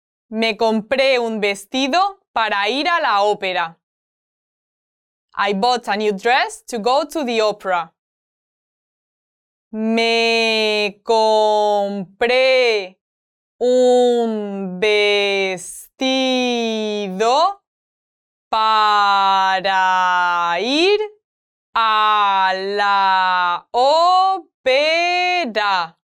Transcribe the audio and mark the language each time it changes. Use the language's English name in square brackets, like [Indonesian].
[Spanish] Me compré un vestido para ir a la ópera. [English] I bought a new dress to go to the opera. [Spanish] Me compré un vestido para ir a la ópera.